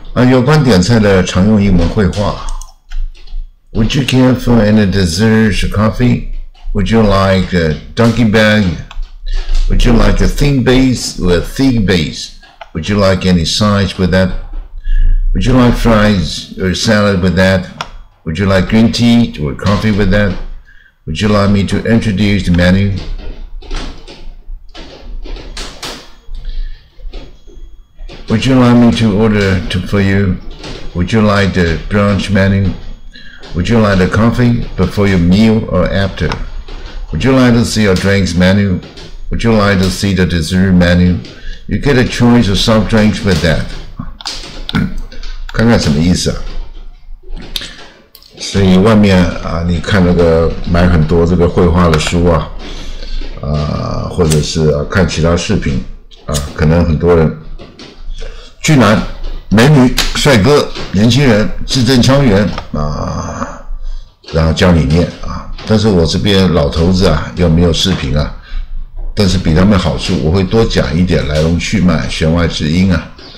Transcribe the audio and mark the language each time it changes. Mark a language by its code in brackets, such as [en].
[zh] 有关点菜的常用英文会话。 [en] Would you care for any dessert or coffee? Would you like a donkey bag? Would you like a thin base or a thick base? Would you like any sides with that? Would you like fries or salad with that? Would you like green tea or coffee with that? Would you like me to introduce the menu? Would you like me to order for you? Would you like the brunch menu? Would you like the coffee before your meal or after? Would you like to see your drinks menu? Would you like to see the dessert menu? You get a choice of soft drinks with that. [zh] 看看什么意思啊？所以外面啊，你看那个买很多这个绘画的书啊，或者是啊看其他视频啊，可能很多人。俊男美女帅哥年轻人字正腔圆啊，然后教你念啊，但是我这边老头子啊又没有视频啊，但是比他们好处我会多讲一点来龙去脉弦外之音啊，